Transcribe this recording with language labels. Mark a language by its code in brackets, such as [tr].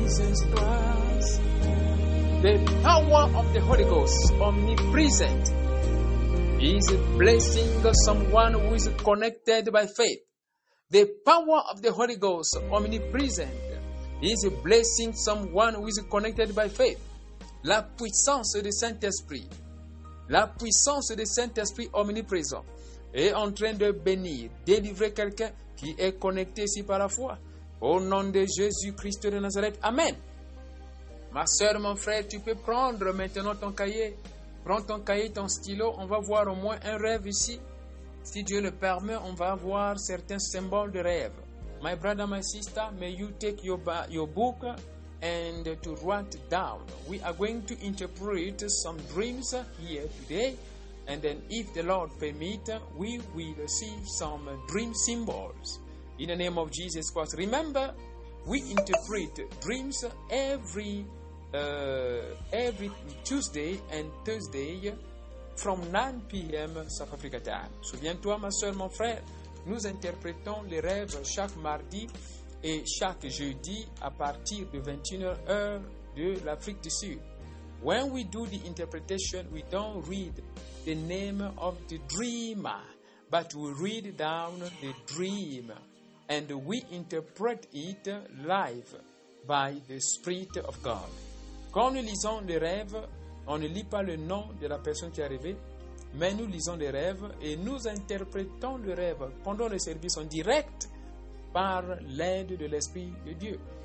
[en] Jesus Christ, the power of the Holy Ghost, omnipresent, is blessing someone who is connected by faith. The power of the Holy Ghost, omnipresent, is blessing someone who is connected by faith. [fr] La puissance du Saint-Esprit, omniprésent, est en train de bénir, délivrer quelqu'un qui est connecté ici par la foi. Au nom de Jésus-Christ de Nazareth, amen. Ma soeur, mon frère, tu peux prendre maintenant ton cahier. Prends ton cahier, ton stylo. On va voir au moins un rêve ici. Si Dieu le permet, on va voir certains symboles de rêve. [en] My brother, my sister, may you take your book and to write down. We are going to interpret some dreams here today. And then if the Lord permit, we will see some dream symbols. In the name of Jesus Christ. Remember, we interpret dreams every Tuesday and Thursday from 9 p.m. South Africa time. [fr] Souviens-toi, ma soeur, mon frère, nous interprétons les rêves chaque mardi et chaque jeudi à partir de 21h de l'Afrique du Sud. [en] When we do the interpretation, we don't read the name of the dreamer, but we read down the dream and we interpret it live by the Spirit of God. [fr] Quand nous lisons les rêves, on ne lit pas le nom de la personne qui est arrivée, mais nous lisons les rêves et nous interprétons le rêve pendant le service en direct par l'aide de l'Esprit de Dieu.